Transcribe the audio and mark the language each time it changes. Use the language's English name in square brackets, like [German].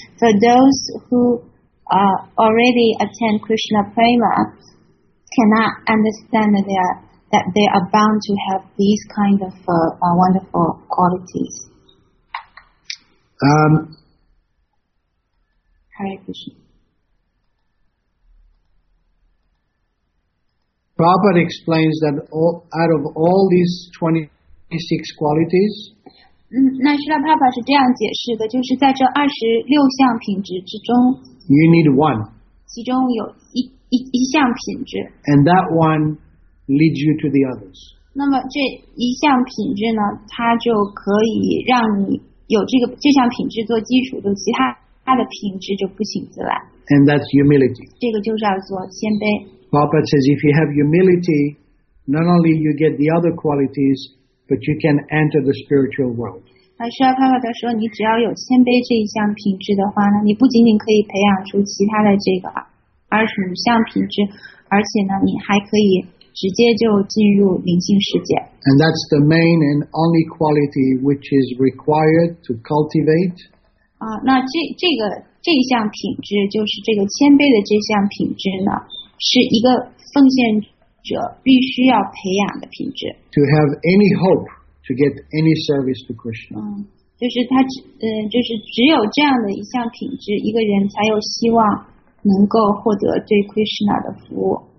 [English] For those who already attain Krishna Prema, cannot understand that they are bound to have these kind of wonderful qualities. Hare Krishna. Prabhupada explains that out of all these 26 qualities, [Chinese] 那释迦帕帕是这样解释的，就是在这二十六项品质之中 [English] ，you need one， [Chinese] 其中有一项品质 [English] ，and that one leads you to the others。 [Chinese] 那么这一项品质呢，它就可以让你有这项品质做基础，就其他的品质就不请自来。 [English] And that's humility。 [Chinese] 这个就是要做谦卑。 [English] Prabhupada says if you have humility, not only you get the other qualities, but you can enter the spiritual world. [Chinese] 释迦帕帕他说，你只要有谦卑这一项品质的话呢，你不仅仅可以培养出其他的这个二十五项品质，而且呢，你还可以直接就进入灵性世界。 [English] And that's the main and only quality which is required to cultivate. [Chinese] 那这一项品质，就是这个谦卑的这项品质呢，是一个奉献者必须要培养的品质。 [English] To have any hope to get any service to Krishna. [Chinese] 就是只有这样的一项品质，一个人才有希望能够获得对 Krishna 的服务。